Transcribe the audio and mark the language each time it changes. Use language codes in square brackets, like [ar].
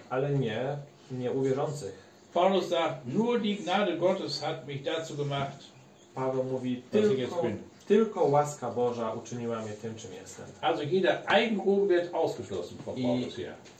[pl] Ale nie, nie u wierzących. [de] Paulus sagt, nur die Gnade Gottes hat mich dazu gemacht. [pl] Paweł mówi, tylko łaska Boża uczyniła mnie tym, czym jestem. [de] Also jeder Eigenruf wird ausgeschlossen von Paulus hier.